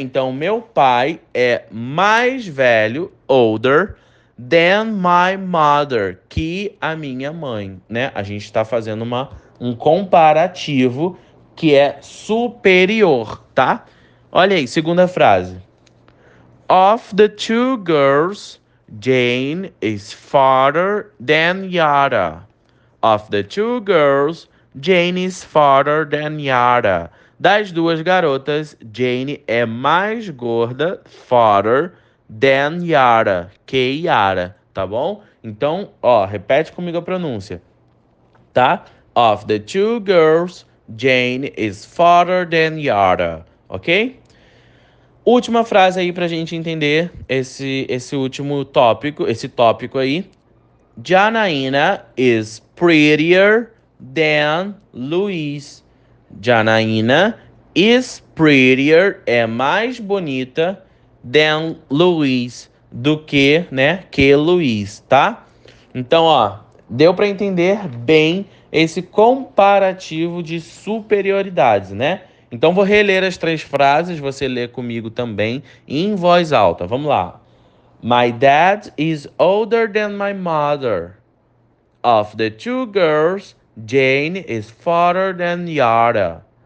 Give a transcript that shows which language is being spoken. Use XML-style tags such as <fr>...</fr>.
<pt>Então, meu pai é mais velho, older.</pt> <en>Than my mother,</en> <pt>que a minha mãe, né? A gente está fazendo um comparativo que é superior, tá? Olha aí, segunda frase.</pt> <en>Of the two girls, Jane is farther than Yara. Of the two girls, Jane is farther than Yara.</en> <pt>Das duas garotas, Jane é mais gorda,</pt> <en>farther than Yara,</en> <pt>K-Yara, tá bom? Então, ó, repete comigo a pronúncia, tá?</pt> <en>Of the two girls, Jane is farther than Yara, ok?</en> <pt>Última frase aí pra gente entender esse último tópico, esse tópico aí.</pt> <en>Janaína is prettier than Luis.</en> <pt>Janaína</pt> <en>is prettier,</en> <pt>é mais bonita</pt> <en>than</en> <pt>Luiz, do que, né, que Luiz, tá? Então, ó, deu para entender bem esse comparativo de superioridades, né? Então, vou reler as três frases, você lê comigo também em voz alta. Vamos lá.</pt> <en>My dad is older than my mother. Of the two girls, Jane is farther than Yara.</en>